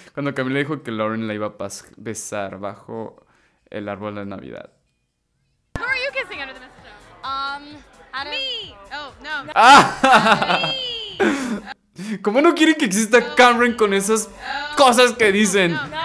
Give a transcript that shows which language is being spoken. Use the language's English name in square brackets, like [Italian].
[Spanish] Cuando Camila dijo que Lauren la iba a besar bajo el árbol de Navidad. [English] Who are you kissing under the mistletoe? Me. Oh, no. Ah. Me. [Spanish] ¿Cómo no quieren que exista Cameron con esas cosas que dicen?